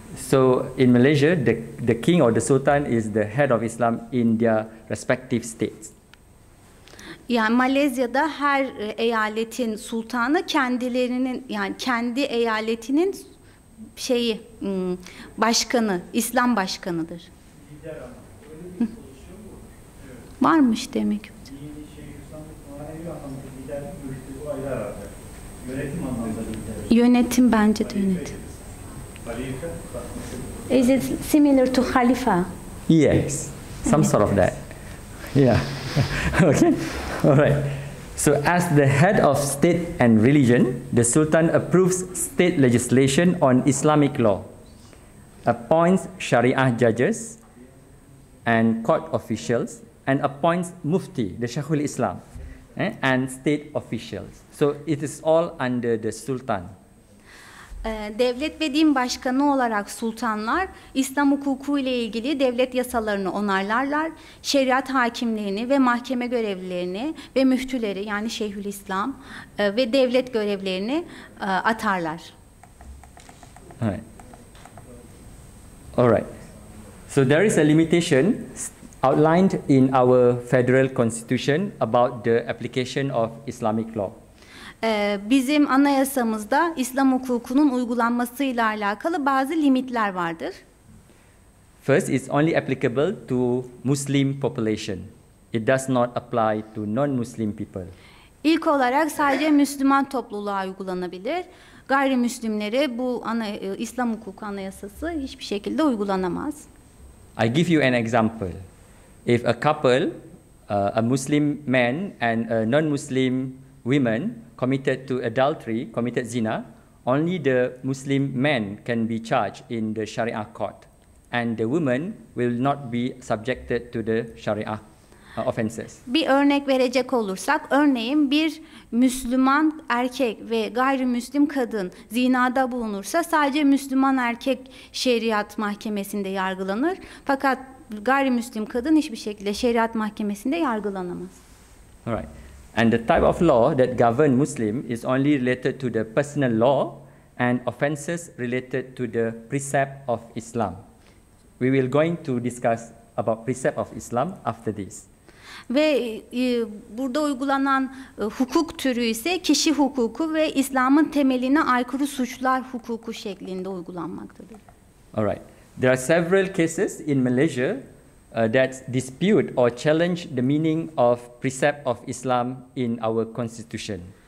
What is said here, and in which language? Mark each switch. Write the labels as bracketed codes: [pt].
[en] So in Malaysia, the king or the Sultan is the head of Islam in their respective states. [tr] Yani Malezya'da her eyaletin sultanı kendilerinin, yani kendi eyaletinin şeyi başkanı, İslam başkanıdır. Lider ama. Varmış demek. Yönetim bence de yönetim. [en] Is it similar to Khalifa? Yes, some sort of that. Yeah. Okay. All right. So as the head of state and religion, the Sultan approves state legislation on Islamic law, appoints Sharia judges and court officials, and appoints Mufti, the Sheikhul Islam, and state officials. So it is all under the Sultan. [tr] Devlet ve din başkanı olarak sultanlar, İslam hukuku ile ilgili devlet yasalarını onarlarlar, şeriat hakimlerini ve mahkeme görevlilerini ve müftüleri, yani Sheikhul Islam, ve devlet görevlerini atarlar. [en] All right. So there is a limitation outlined in our federal constitution about the application of Islamic law. [tr] Bizim anayasamızda İslam hukukunun uygulanmasıyla alakalı bazı limitler vardır. [en] First, it's only applicable to Muslim population. It does not apply to non-Muslim people. [tr] İlk olarak sadece Müslüman topluluğa uygulanabilir. Gayrimüslimlere bu İslam hukuku anayasası hiçbir şekilde uygulanamaz. [en] I give you an example. if a couple, a Muslim man and a non-Muslim woman committed to adultery, committed zina, only the Muslim man can be charged in the Sharia court, and the woman will not be subjected to the Sharia offenses. [tr] Bir örnek verecek olursak, örneğin bir Müslüman erkek ve gayrimüslim kadın zinada bulunursa sadece Müslüman erkek şeriat mahkemesinde yargılanır. Fakat gayrimüslim kadın hiçbir şekilde şeriat mahkemesinde yargılanamaz. [en] All right. And the type of law that govern Muslim is only related to the personal law and offenses related to the precept of Islam. We will going to discuss about precept of Islam after this. [tr] Ve burada uygulanan hukuk türü ise kişi hukuku ve İslam'ın temeline aykırı suçlar hukuku şeklinde uygulanmaktadır. [en] All right. There are several cases in Malaysia that dispute or challenge the meaning of precept of Islam in our constitution.